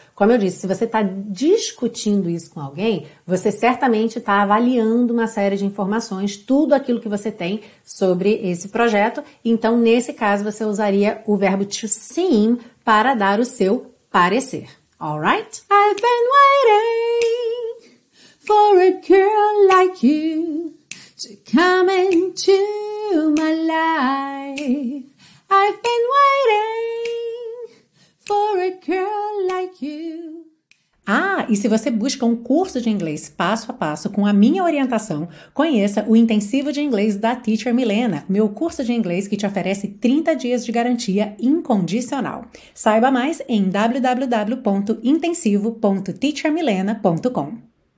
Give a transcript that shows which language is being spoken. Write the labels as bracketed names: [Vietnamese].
[Portuguese] Como eu disse, se você está discutindo isso com alguém, você certamente está avaliando uma série de informações, tudo aquilo que você tem sobre esse projeto. Então, nesse caso, você usaria o verbo to seem para dar o seu parecer. [English] All right? I've been waiting for a girl like you to come into my life. I've been waiting for a girl like you. [Portuguese] Ah, e se você busca um curso de inglês passo a passo com a minha orientação, conheça o Intensivo de Inglês da Teacher Milena, meu curso de inglês que te oferece 30 dias de garantia incondicional. Saiba mais em www.intensivo.teachermilena.com.